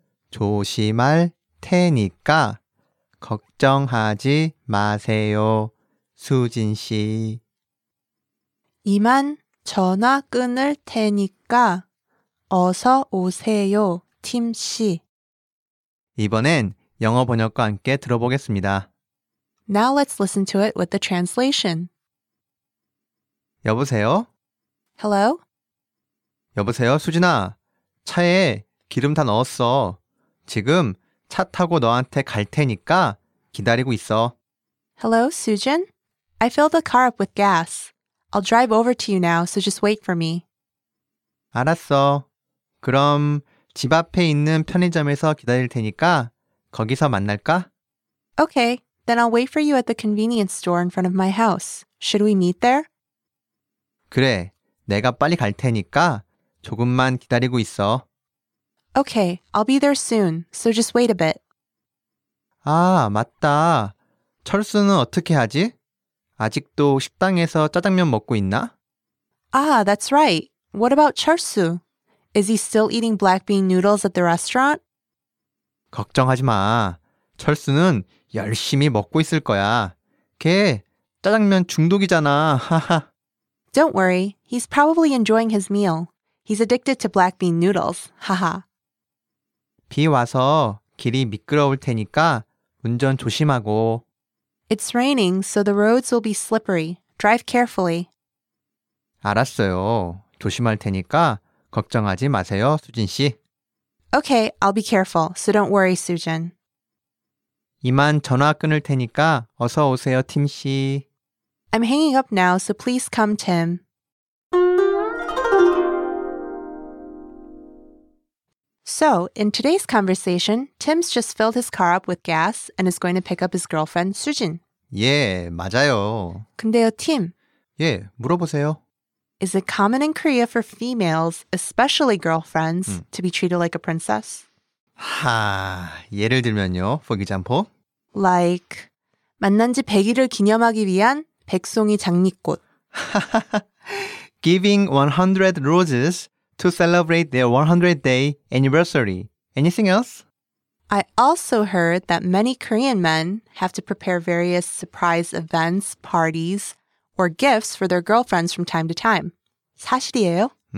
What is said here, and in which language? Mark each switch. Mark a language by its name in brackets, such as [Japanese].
[Korean] 조심할 테니까 걱정하지 마세요, 수진 씨. 이만 전화 끊을 테니까 어서 오세요, 팀 씨. 이번엔 영어 번역과 함께 들어보겠습니다. [English] Now let's listen to it with the translation. [Korean] 여보세요? [English] Hello? [Korean] 여보세요, 수진아. 차에 기름 다 넣었어. 지금 차 타고 너한테 갈 테니까 기다리고 있어. [English] Hello, Sujin. I filled the car up with gas. I'll drive over to you now, so just wait for me. [Korean] 알았어. 그럼 집 앞에 있는 편의점에서 기다릴 테니까 거기서 만날까? [English] Okay, then I'll wait for you at the convenience store in front of my house. Should we meet there? [Korean] 그래, 내가 빨리 갈 테니까 조금만 기다리고 있어. [English] Okay, I'll be there soon, so just wait a bit. [Korean] 아, 맞다. 철수는 어떻게 하지? 아직도 식당에서 짜장면 먹고 있나? [English] Ah, that's right. What about 철수? Is he still eating black bean noodles at the restaurant? [Korean] 걱정하지 마. 철수는 열심히 먹고 있을 거야. 걔 짜장면 중독이잖아. [English] Don't worry. He's probably enjoying his meal. He's addicted to black bean noodles. 하하. [Korean] 비 와서 길이 미끄러울 테니까 운전 조심하고. [English] It's raining, so the roads will be slippery. Drive carefully. [Korean] 알았어요. 조심할 테니까 걱정하지 마세요, 수진 씨. [English] Okay, I'll be careful. So don't worry, Sujin. [Korean] 이만 전화 끊을 테니까 어서 오세요, 팀 씨. [English] I'm hanging up now, so please come, Tim. So, in today's conversation, Tim's just filled his car up with gas and is going to pick up his girlfriend, Sujin. [Korean] 예, 맞아요. 근데요, Tim. 예, 물어보세요. [English] Is it common in Korea for females, especially girlfriends, to be treated like a princess? [Korean] 하, 예를 들면요, [English] for example. Like, [Korean] 만난 지 100일을 기념하기 위한 백송이 장미꽃. [English] Giving 100 roses to celebrate their 100th day anniversary. Anything else? I also heard that many Korean men have to prepare various surprise events, parties, or gifts for their girlfriends from time to time. [Korean] 사실이에요?